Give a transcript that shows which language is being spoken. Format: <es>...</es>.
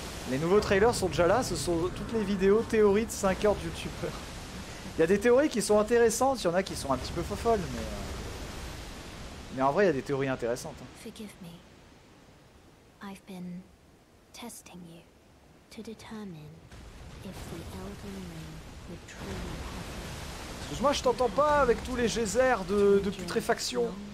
<fr>Les nouveaux trailers sont déjà là, ce sont toutes les vidéos théories de 5 heures de youtubeurs. Il y a des théories qui sont intéressantes, il y en a qui sont un petit peu fofolles, mais... Mais en vrai, il y a des théories intéressantes.</fr> <en>Forgive me. I've been testing you to determine if the Elden Ring would truly happen.</en> <fr>Excuse-moi, je t'entends pas avec tous les geysers de putréfaction.</fr>